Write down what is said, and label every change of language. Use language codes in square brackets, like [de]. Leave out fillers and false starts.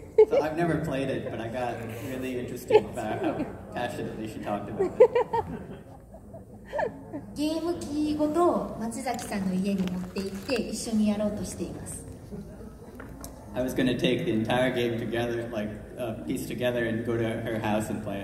[en] So I've never played it, but I got really interested about how passionately she talked about it. [ja] ゲーム機ごと松崎さんの家に持って行って一緒にやろうとしています。 [en] I was gonna take the entire game together, like a piece together, and go to her house and play it.